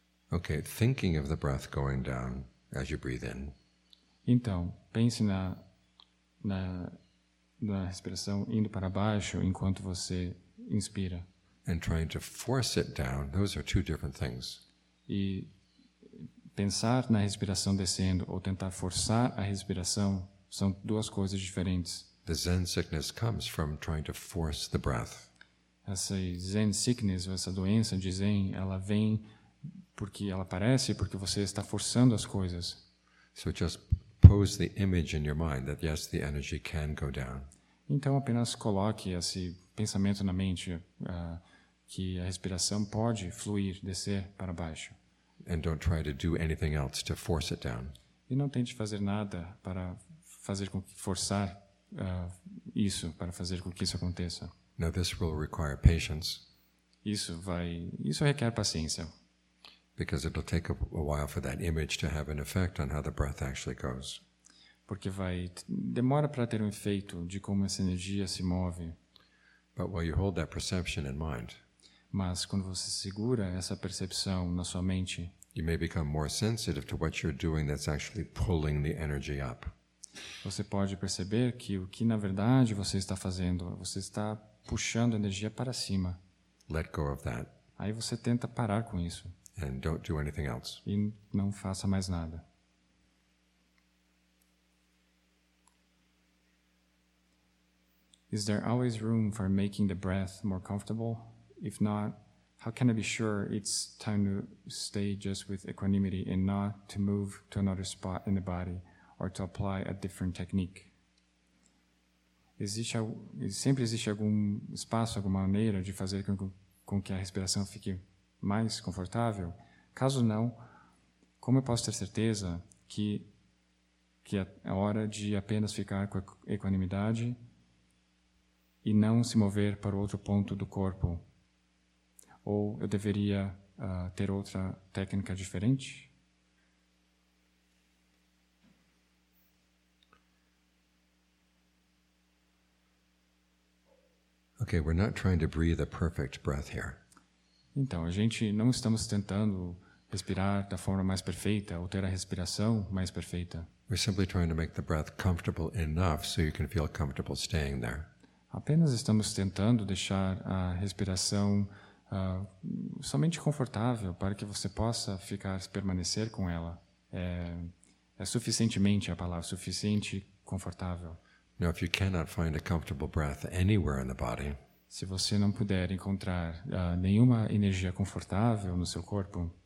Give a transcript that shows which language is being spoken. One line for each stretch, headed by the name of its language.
English: Okay, thinking of the breath going down as you breathe in.
Portuguese: Então, pense na respiração indo para baixo enquanto você inspira.
English: And trying to force it down, those are two different things.
Portuguese: E pensar na respiração descendo ou tentar forçar a respiração são duas coisas diferentes.
English: The Zen sickness comes from trying to force the breath.
Portuguese: Essa Zen sickness, ou essa doença de Zen, ela vem porque ela aparece porque você está forçando as coisas.
English: So just pose the image in your mind that yes, the energy can go down.
Portuguese: Então apenas coloque esse pensamento na mente que a respiração pode fluir, descer para baixo.
English: And don't try to do anything else to force it down.
Portuguese: E não tente fazer nada para fazer com que forçar isso, para fazer com que isso aconteça.
English: Now this will require patience.
Portuguese: Isso requer paciência.
English: Because it'll take a while for that image to have an effect on how the breath actually goes.
Portuguese: Porque demora para ter efeito de como essa energia se move.
English: But while you hold that perception in mind,
Portuguese: mas quando você segura essa percepção na sua mente,
English: you may become more sensitive to what you're doing that's actually pulling the energy up.
Portuguese: Você pode perceber que o que na verdade você está fazendo, você está puxando a energia para cima.
English: Let go of that.
Portuguese: Aí você tenta parar com isso.
English: And don't do anything else.
Portuguese: E não faça mais nada.
English: Is there always room for making the breath more comfortable? If not, How can I be sure it's time to stay just with equanimity and not to move to another spot in the body or to apply a different technique?
Portuguese: Sempre existe algum espaço, alguma maneira de fazer com que a respiração fique mais confortável? Caso não, como eu posso ter certeza que é hora de apenas ficar com a equanimidade e não se mover para outro ponto do corpo? Ou eu deveria ter outra técnica diferente?
English: Okay, we're not trying to breathe a perfect breath here.
Portuguese: Então, a gente não estamos tentando respirar da forma mais perfeita ou ter a respiração mais perfeita.
English: We're simply trying to make the breath comfortable enough so you can feel comfortable staying there.
Portuguese: Apenas estamos tentando deixar a respiração somente confortável para que você possa ficar, permanecer com ela. É suficientemente a palavra, suficiente confortável.
English: Now, if you cannot find a comfortable breath anywhere in the body,
Portuguese: se você não puder encontrar nenhuma energia confortável no seu corpo,